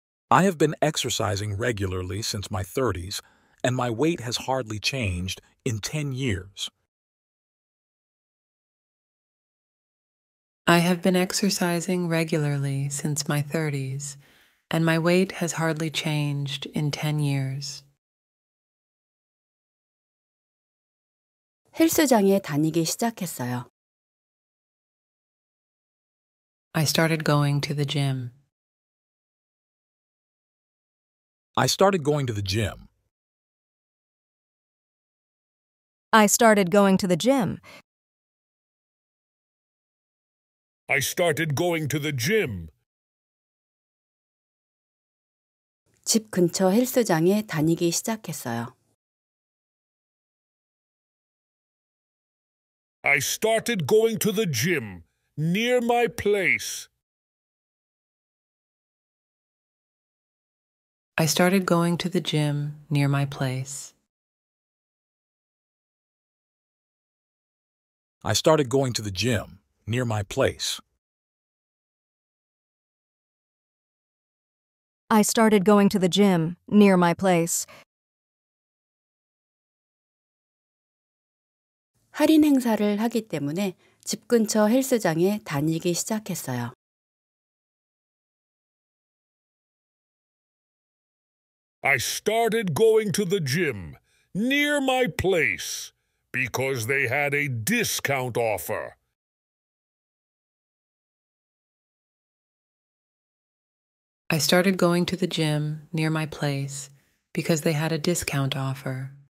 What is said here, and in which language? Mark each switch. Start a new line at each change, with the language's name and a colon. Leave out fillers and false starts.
English: I have been exercising regularly since my 30s, and my weight has hardly changed in 10 years. I have been exercising regularly since my 30s. And my weight has hardly changed in 10 years.
Korean: 헬스장에 다니기 시작했어요.
English: I started going to the gym. I started going to the gym. I started going to the gym. I started going to the gym.
Korean: 집 근처 헬스장에 다니기 시작했어요.
English: I started going to the gym near my place. I started going to the gym near my place. I started going to the gym near my place. I started going to the gym near my place.
Korean: 할인 행사를 하기 때문에 집 근처 헬스장에 다니기 시작했어요.
English: I started going to the gym near my place because they had a discount offer. I started going to the gym near my place because they had a discount offer.